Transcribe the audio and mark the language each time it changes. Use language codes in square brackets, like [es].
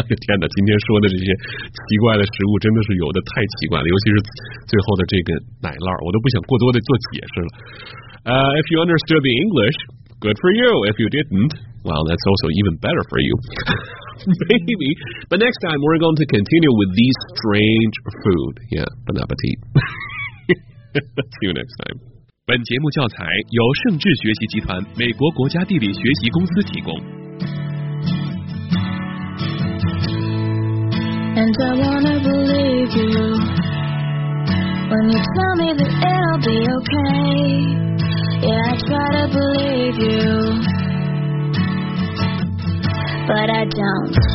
[zh] 天哪，今天说的这些奇怪的食物真的是有的太奇怪了，尤其是最后的这个奶酪，我都不想过多的做解释了。 [en] If you understood the English, good for you. If you didn't, well, that's also even better for you. Maybe. But next time, we're going to continue with these strange food. Yeah, bon appetit. See you next time. [zh] 本节目教材由盛智学习集团美国国家地理学习公司提供。 [en] And I wanna believe you when you tell me that it'll be okay. Yeah, I try to believe you, but I don't.